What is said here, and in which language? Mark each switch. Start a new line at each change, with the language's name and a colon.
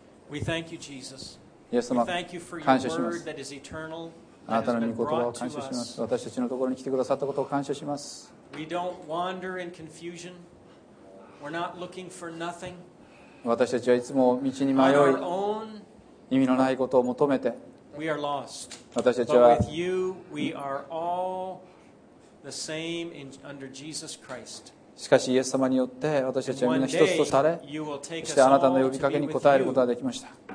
English: We thank you, Jesus.
Japanese: イエス様、感謝します。あなたの御言葉を感謝します。私たちのところに来てくださったことを感謝します。
English: We don't wander in confusion. We're not looking for nothing.
Japanese: 私たちはいつも道に迷い、意味のないことを求めて、
English: We are lost.
Japanese: 私たちは、
English: But with you, we are all the same under Jesus Christ.
Japanese: しかしイエス様によって私たちはみんな一つとされ、そしてあなたの呼びかけに応えることができました。